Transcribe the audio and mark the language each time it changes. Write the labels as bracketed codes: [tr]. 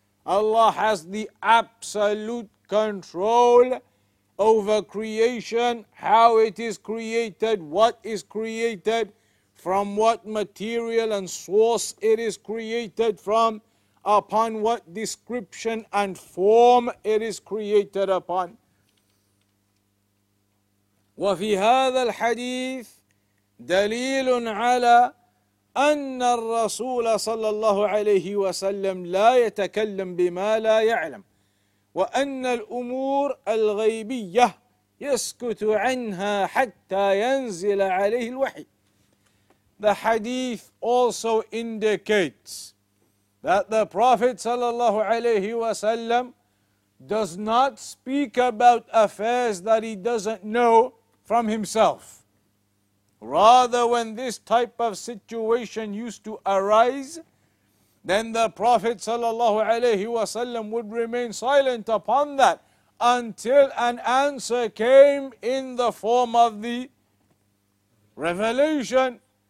[en] Allah has the absolute control over creation, how it is created, what is created, from what material and source it is created from, upon what description and form it is created upon. [ar] وفي هذا الحديث دليل على أن الرسول صلى الله عليه وسلم لا يتكلم بما لا يعلم وأن الأمور الغيبية يسكت عنها حتى ينزل عليه الوحي. [en] The hadith also indicates that the Prophet sallallahu alayhi wasallam does not speak about affairs that he doesn't know from himself. Rather, when this type of situation used to arise, then the Prophet sallallahu alayhi wasallam would remain silent upon that until an answer came in the form of the revelation.